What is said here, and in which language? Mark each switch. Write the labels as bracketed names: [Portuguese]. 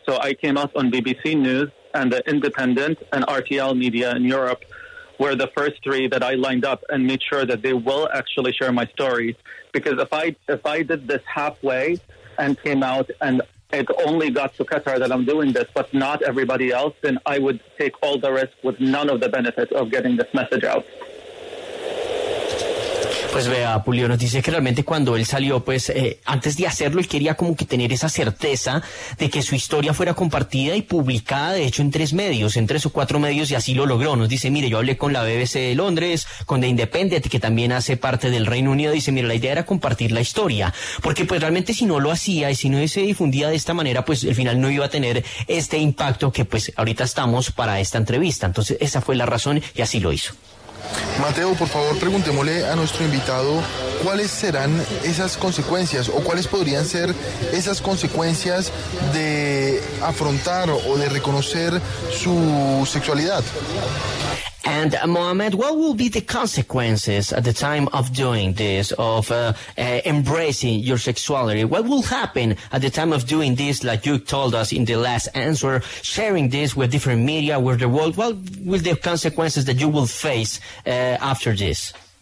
[English] So I came out on BBC News and The Independent and RTL Media in Europe were the first three that I lined up and made sure that they will actually share my story. Because if I did this halfway and came out and it only got to Qatar that I'm doing this, but not everybody else, then I would take all the risk with none of the benefits of getting this message out. [Spanish] Pues vea, Pulio nos dice que realmente cuando él salió, pues antes de hacerlo, él quería como que tener esa certeza de que su historia fuera compartida y publicada, de hecho, en tres medios, en tres o cuatro medios, y así lo logró. Nos dice, mire, yo hablé con la BBC de Londres, con The Independent, que también hace parte del Reino Unido, dice, mire, la idea era compartir la historia, porque pues realmente si no lo hacía y si no se difundía de esta manera, pues al final no iba a tener este impacto que pues ahorita estamos para esta entrevista. Entonces esa fue la razón y así lo hizo. Mateo, por favor, preguntémosle a nuestro invitado cuáles serán esas consecuencias o cuáles podrían ser esas consecuencias de afrontar o de reconocer su sexualidad. [English] And Mohammed, what will be the consequences at the time of doing this, of embracing your sexuality? What will happen at the time of doing this, like you told us in the last answer, sharing this with different media, with the world? What will the consequences that you will face after this?